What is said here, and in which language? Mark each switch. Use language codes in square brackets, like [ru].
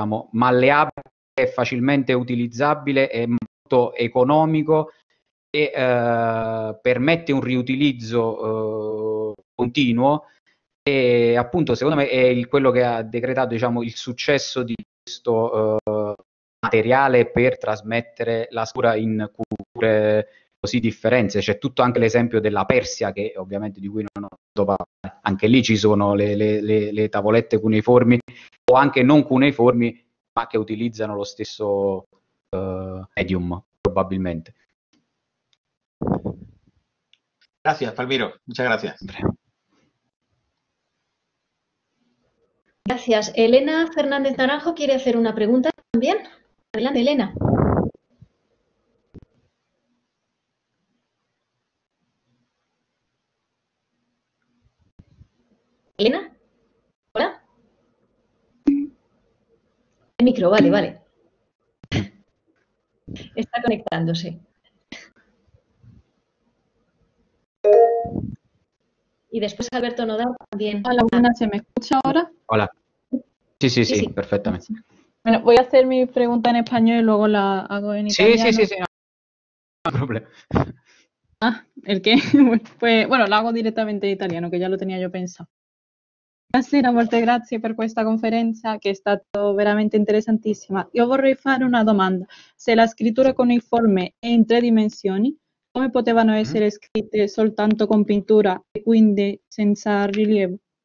[it] malleabile, è facilmente utilizzabile, è molto economico e permette un riutilizzo continuo, e appunto secondo me è quello che ha decretato il successo di questo materiale per trasmettere la scrittura in culture così differenze. C'è tutto anche l'esempio della Persia, che ovviamente di cui non ho dovuto parlare, anche lì ci sono le tavolette cuneiformi o anche non cuneiformi, ma che utilizzano lo stesso medium probabilmente. Grazie Palmiro, [es] muchas gracias. Gracias. Elena Fernández Naranjo quiere hacer una pregunta también. Adelante, Elena. Elena, hola. El micro, vale. Está conectándose. Y después Alberto Nodal también. Hola, buenas, ¿se me escucha ahora? Hola. Sí, perfectamente. Bueno, voy a hacer mi pregunta en español y luego la hago en italiano. Sí, no problema. Ah, ¿el qué? Pues, bueno, la hago directamente en italiano, que ya lo tenía yo pensado. [it] Buonasera, molte grazie per questa conferenza che è stata veramente interessantissima. Io vorrei fare una domanda. Se la scrittura cuneiforme è in tre dimensioni, come potevano essere scritte soltanto con pittura e quindi senza rilievo?